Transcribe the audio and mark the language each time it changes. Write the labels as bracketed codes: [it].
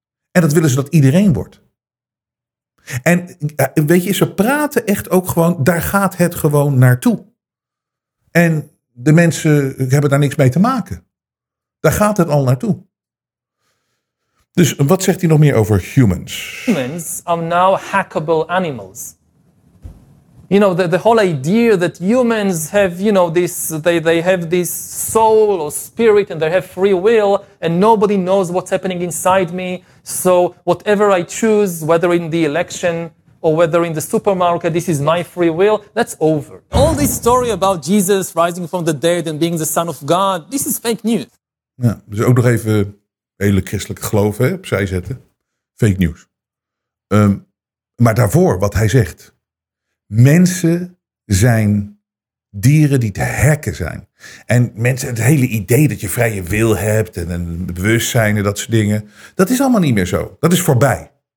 [nl] En dat willen ze dat iedereen wordt. En weet je, ze praten echt ook gewoon, daar gaat het gewoon naartoe. En de mensen hebben daar niks mee te maken. Daar gaat het al naartoe. Dus wat zegt hij nog meer over humans? [en] Humans are now hackable animals. You know, the whole idea that humans have, you know, this, they have this soul or spirit and they have free will and nobody knows what's happening inside me. So whatever I choose, whether in the election or whether in the supermarket, this is my free will, that's over. All this story about Jesus rising from the dead and being the son of God, this is fake news. [nl] Ja, dus ook nog even hele christelijke geloof, hè, opzij zetten. Fake news. Maar daarvoor, wat hij zegt. Mensen zijn dieren die te hacken zijn. En mensen, het hele idee dat je vrije wil hebt en een bewustzijn en dat soort dingen, dat is allemaal niet meer zo. Dat is voorbij.